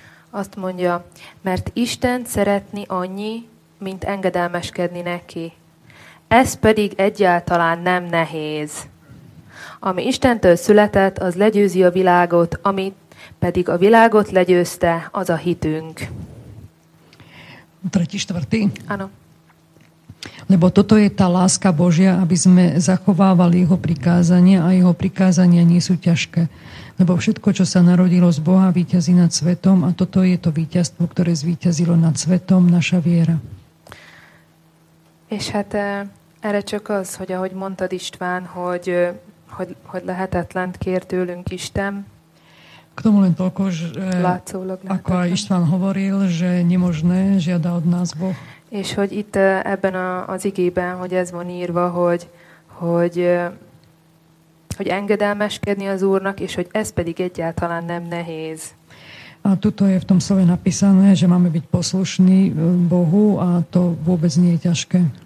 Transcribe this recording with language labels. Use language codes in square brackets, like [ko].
[hu] Azt mondja, mert Isten szeretni annyi, mint engedelmeskedni neki. Ez pedig egyáltalán nem nehéz. Ami Istentől született, az legyőzi a világot, ami pedig a világot legyőzte, az a hitünk. [sk] Tretí, štvrtý. Áno. Lebo toto je tá láska Božia, aby sme zachovávali jeho prikázania a jeho prikázania nie sú ťažké. Lebo všetko, čo sa narodilo z Boha, víťazí nad svetom a toto je to víťazstvo, ktoré zvíťazilo nad svetom, naša viera. [hu] És hát erre csak az, hogy ahogy mondtad István, hogy lehetetlent kér tőlünk Isten. [sk] K tomu len toľko, že ako aj István hovoril, že nemožné žiada od nás Boh. [hu] És hogy itt ebben az igében, hogy ez van írva, hogy engedelmeskedni az Úrnak, és hogy ez pedig egyáltalán nem nehéz. [sk] A tuto je v tom slove napísané, že máme byť poslušní Bohu a to vôbec nie je ťažké.